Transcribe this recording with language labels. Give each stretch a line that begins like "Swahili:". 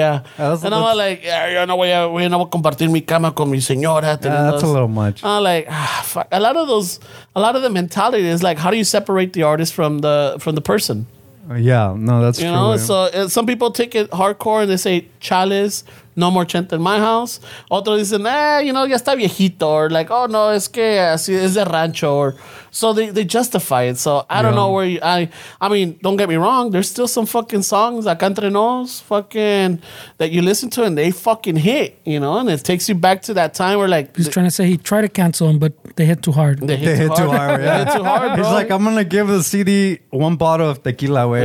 English: Yeah. And I'm like,
Spanish: yo no voy a compartir mi cama con mi señora.
English: That's a little much. I'm like, fuck. A lot of the mentality is like, how do you separate the artist from the person? Yeah, no, that's true. You know, so some people take it hardcore and they say, Chales, no more Chente in my house.
Spanish: Otros dicen,
English: you know,
Spanish: ya está viejito.
English: Or like, oh,
Spanish: no, es que así es de rancho.
English: Or, so they justify it. So I don't know where I mean, don't get me wrong. There's still some fucking songs,
Spanish: acá entre nos,
English: fucking, that you listen to and they fucking hit, you know, and it takes you back to that time where like. He's trying to say he tried to cancel them, but they hit too hard. They hit too hard, He's like, I'm going to give the CD one bottle of tequila away.